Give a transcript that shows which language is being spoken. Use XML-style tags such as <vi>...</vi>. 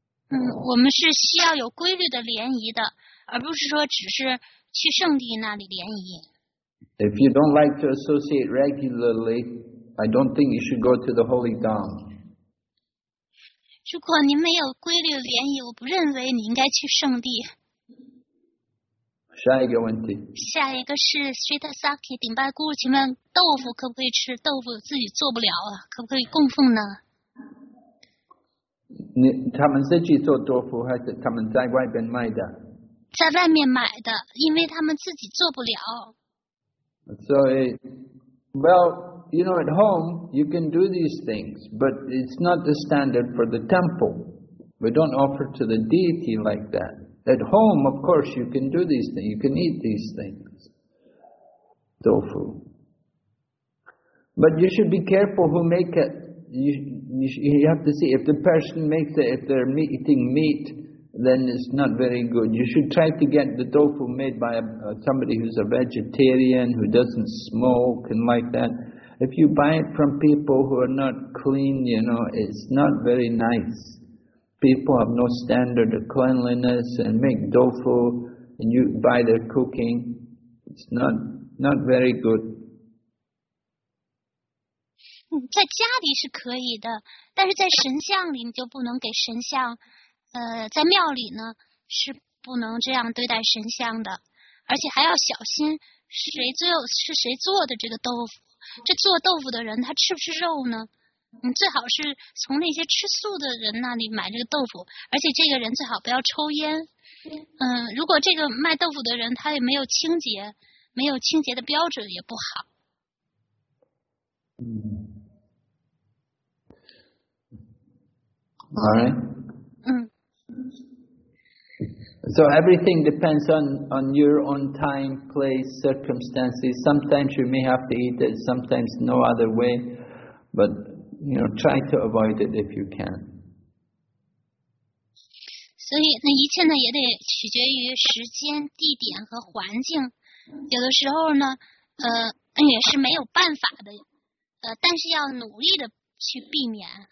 <zh>我们是需要有规律的联谊的，而不是说只是去圣地那里联谊。</zh> <en>If you don't like to associate regularly, I don't think you should go to the holy dham.</en> <zh>如果你没有规律联谊，我不认为你应该去圣地。下一个问题。下一个是 Street Saki 顶拜姑，请问豆腐可不可以吃？豆腐自己做不了啊，可不可以供奉呢？他们自己做豆腐还是他们在外边卖的？在外面买的，因为他们自己做不了。</zh> <en>So, well, you know, at home you can do these things, but it's not the standard for the temple. We don't offer to the deity like that. At home, of course, you can do these things. You can eat these things. Tofu. But you should be careful who make it. You have to see if the person makes it, if they're eating meat, then it's not very good. You should try to get the tofu made by somebody who's a vegetarian, who doesn't smoke and like that. If you buy it from people who are not clean, you know, it's not very nice. People have no standard of cleanliness and make tofu and you buy their cooking. It's not very good.</en> <zh>在家里是可以的，但是在神像里你就不能给神像，在庙里呢是不能这样对待神像的，而且还要小心是谁做的这个豆腐，这做豆腐的人他吃不吃肉呢？你最好是从那些吃素的人那里买这个豆腐，而且这个人最好不要抽烟。如果这个卖豆腐的人他也没有清洁，没有清洁的标准也不好。</zh> <en>All right. So everything depends on your own time, place, circumstances. Sometimes you may have to eat it, sometimes no other way, but. You know, try to avoid it if you can.</en> <zh>所以那一切呢也得取决于时间、地点和环境。有的时候呢，也是没有办法的，但是要努力的去避免。</zh>